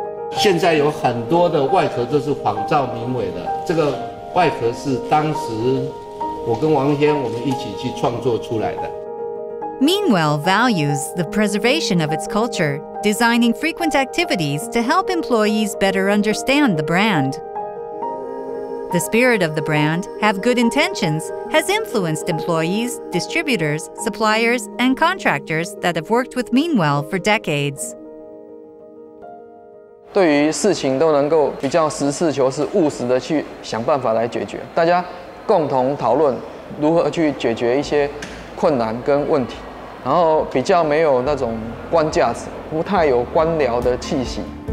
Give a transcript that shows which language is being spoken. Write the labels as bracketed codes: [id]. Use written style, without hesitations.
[zh] 现在有很多的外壳都是仿照明伟的，这个外壳是当时我跟王先我们一起去创作出来的。 [en] Meanwell values the preservation of its culture, designing frequent activities to help employees better understand the brand. The spirit of the brand, have good intentions, has influenced employees, distributors, suppliers, and contractors that have worked with Meanwell for decades. [zh] 对于事情都能够比较实事求是、务实的去想办法来解决，大家共同讨论如何去解决一些困难跟问题，然后比较没有那种官架子，不太有官僚的气息。